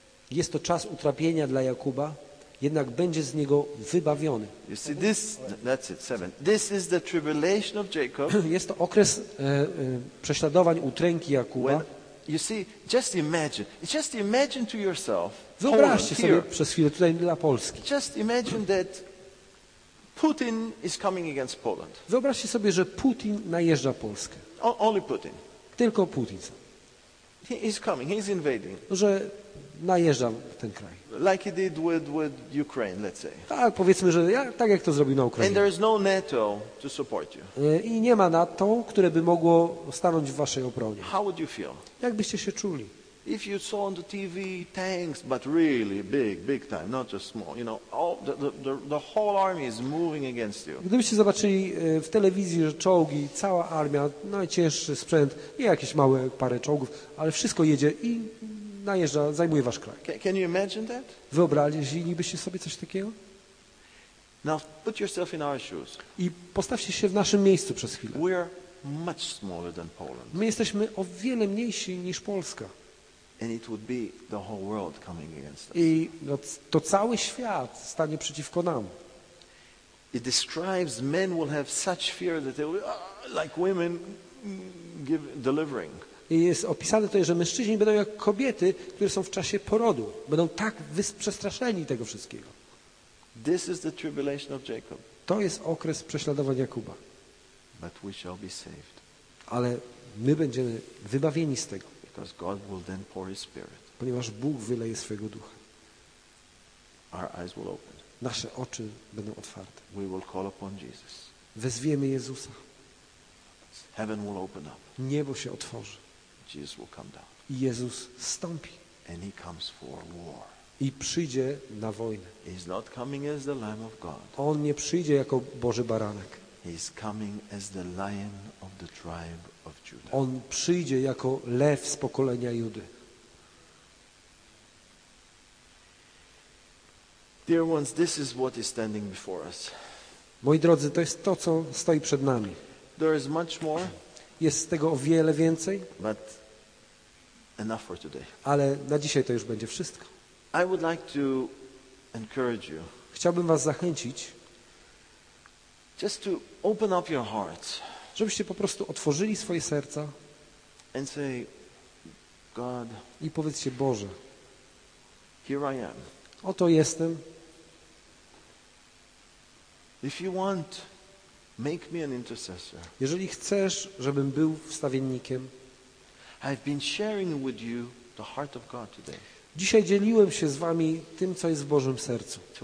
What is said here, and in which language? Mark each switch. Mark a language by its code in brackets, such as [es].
[pl] Jest to czas utrapienia dla Jakuba. Jednak będzie z niego wybawiony. [en] You see, this, that's it, seven. This is the tribulation of Jacob. [pl] Jest to okres prześladowań, utręki Jakuba. [en] You see, just imagine to yourself. [pl] Wyobraźcie sobie przez chwilę tutaj dla Polski. [en] Just imagine that Putin is coming against Poland. [pl] Wyobraźcie sobie, że Putin najeżdża Polskę. [en] Only Putin. [pl] Tylko Putin. [en] He is coming. He is invading. [pl] Że najeżdża ten kraj. [en] Like he did with Ukraine, let's say. [pl] Tak, powiedzmy, że tak jak to zrobił na Ukrainie. [en] And there is no NATO to support you. [pl] I nie ma NATO, które by mogło stanąć w waszej obronie. [en] How would you feel? [pl] Jak byście się czuli? [en] If you saw on the TV tanks, but really big time, not just small, you know, all the whole army is moving against you. [pl] Gdybyście zobaczyli w telewizji, że czołgi, cała armia, najcięższy sprzęt, nie jakieś małe parę czołgów, ale wszystko jedzie i najeżdża, zajmuje wasz kraj. [en] Can you imagine that? [pl] Wyobrazilibyście sobie coś takiego? [en] Now put yourself in our shoes. [pl] I postawcie się w naszym miejscu przez chwilę. [en] We are much smaller than Poland. [pl] My jesteśmy o wiele mniejsi niż Polska. [en] And it would be the whole world coming against us. [pl] I to cały świat stanie przeciwko nam. [en] It describes men will have such fear that they will, like women, give delivering. [pl] I jest opisane to, że mężczyźni będą jak kobiety, które są w czasie porodu. Będą tak przestraszeni tego wszystkiego. [en] This is the tribulation of Jacob. [pl] To jest okres prześladowań Jakuba. [en] But we shall be saved. [pl] Ale my będziemy wybawieni z tego. [en] Because God will then pour his spirit. [pl] Ponieważ Bóg wyleje swojego ducha. [en] Our eyes will open. [pl] Nasze oczy będą otwarte. [en] We will call upon Jesus. [pl] Wezwiemy Jezusa. [en] Heaven will open up. [pl] Niebo się otworzy. [en] Jesus will come down. [pl] I Jezus stąpi. [en] And he comes for war. [pl] I przyjdzie na wojnę. [en] He's not coming as the Lamb of God. [pl] On nie przyjdzie jako Boży Baranek. [en] He's coming as the Lion of the tribe of Judah. [pl] On przyjdzie jako lew z pokolenia Judy. [en] Dear ones, this is what is standing before us. [pl] Moi drodzy, to jest to, co stoi przed nami. [en] There is much more. [pl] Jest z tego o wiele więcej. [en] But enough for today. [pl] Ale na dzisiaj to już będzie wszystko. [en] I would like to encourage you. [pl] Chciałbym was zachęcić. [en] Just to open up your hearts. [pl] Żebyście po prostu otworzyli swoje serca. [en] And say, God. [pl] I powiedzcie, Boże. [en] Here I am. [pl] Oto jestem. [en] If you want, make me an intercessor. [pl] Jeżeli chcesz, żebym był wstawiennikiem. [en] I've been sharing with you the heart of God today. [pl] Dzisiaj dzieliłem się z wami tym, co jest w Bożym sercu.